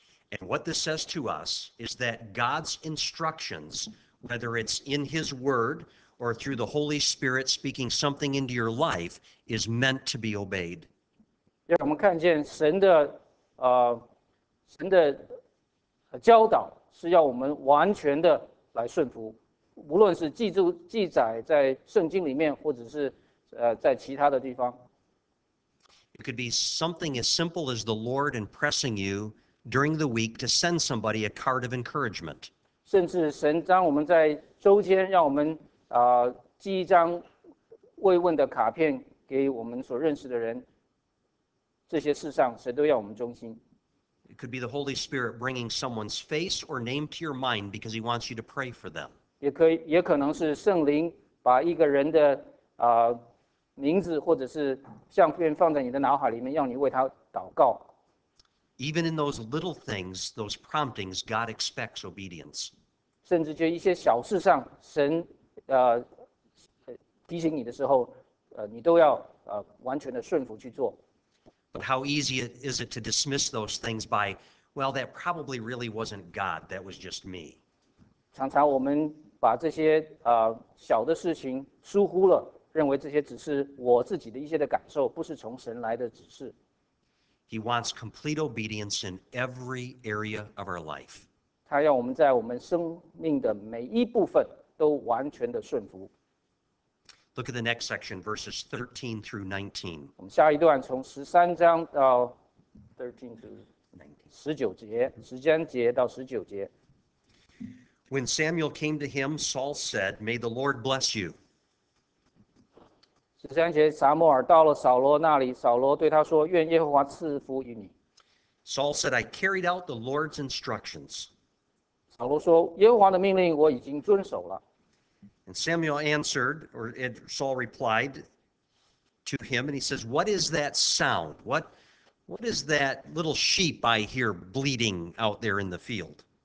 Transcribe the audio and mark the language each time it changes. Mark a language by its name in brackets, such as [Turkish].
[English] And what this says to us is that God's instructions, whether it's in his word or through the Holy Spirit speaking something into your life, is meant to be obeyed. [Chinese] 让我们看见神的神的教导是要我们完全的来顺服，无论是记载在圣经里面，或者是在其他的地方。 [English] It could be something as simple as the Lord impressing you during the week to send somebody a card of encouragement. [Chinese] 甚至神当我们在周间让我们寄一张慰问的卡片给我们所认识的人，这些事上神都要我们忠心。 [English] It could be the Holy Spirit bringing someone's face or name to your mind because he wants you to pray for them. [Chinese] 也可能是圣灵把一个人的名字或者是相片放在你的脑海里面，要你为他祷告。 [English] Even in those little things, those promptings, God expects obedience. [Chinese] 甚至就一些小事上，神提醒你的时候，你都要完全的顺服去做。 [English] But how easy is it to dismiss those things by, well, that probably really wasn't God, that was just me. [Chinese] 常常我们把这些小的事情疏忽了，认为这些只是我自己的一些的感受，不是从神来的指示。 [English] He wants complete obedience in every area of our life. [Chinese] 他要我们在我们生命的每一部分都完全的顺服。 [English] Look at the next section, verses 13 through 19. [Chinese] 我们下一段从十三章到 [English] 13 through 19, [Chinese] 十三节到十九节。 [English] When Samuel came to him, Saul said, "May the Lord bless you." [Chinese] 十三节，撒母耳到了扫罗那里，扫罗对他说，愿耶和华赐福于你。 [English] Saul said, "I carried out the Lord's instructions." [Chinese] 扫罗说，耶和华的命令我已经遵守了。 [English] And Samuel answered, or Saul replied to him, and he says, "What is that sound? What is that little sheep I hear bleeding out there in the field?"